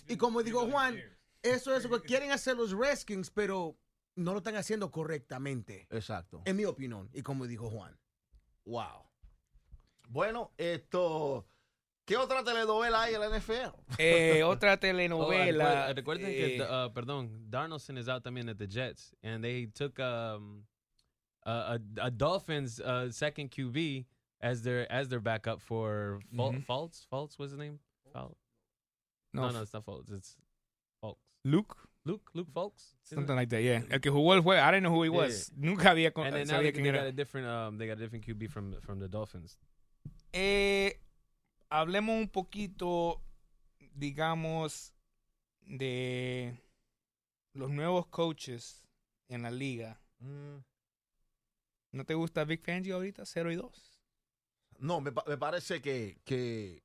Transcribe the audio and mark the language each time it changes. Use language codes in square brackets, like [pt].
[es] Y como dijo Juan, eso es lo que quieren hacer los Redskins, pero no lo están haciendo correctamente. Exacto. En mi opinión. Y como dijo Juan. Wow. Bueno, ¿qué otra telenovela hay en la NFL? Otra telenovela. Recuerden que, [en] Darnolson is out también at the Jets, and they took a Dolphins second QB as their backup for Fultz. Fultz was his name. No, it's not Fultz. It's Fultz. Luke Fultz. Something like that, yeah. [es] El que jugó el juego, [en] I didn't know who he was. Yeah. [es] Nunca había sabía quién era. [en] And then they got a different QB from the Dolphins. [es] Hablemos un poquito, digamos, de los nuevos coaches en la liga. ¿No te gusta Vic Fangio ahorita? 0-2. No, me parece que...